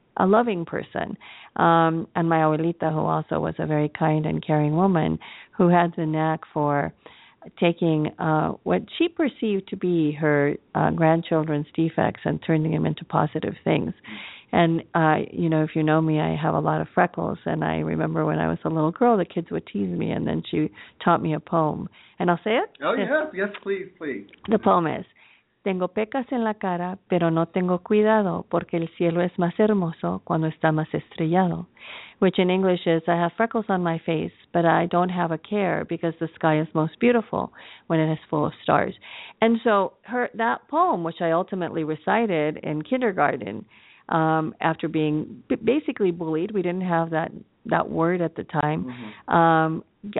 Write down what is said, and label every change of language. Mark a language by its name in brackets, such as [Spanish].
[English] a loving person. And my abuelita, who also was a very kind and caring woman, who had the knack for taking what she perceived to be her grandchildren's defects and turning them into positive things. And, you know, if you know me, I have a lot of freckles. And I remember when I was a little girl, the kids would tease me, and then she taught me a poem. And I'll say it? Yes, please. [Spanish] The poem is, tengo pecas en la cara, pero no tengo cuidado, porque el cielo es más hermoso cuando está más estrellado. [English] Which in English is, I have freckles on my face, but I don't have a care because the sky is most beautiful when it is full of stars. And so her that poem, which I ultimately recited in kindergarten, after being basically bullied, we didn't have that word at the time. Mm-hmm.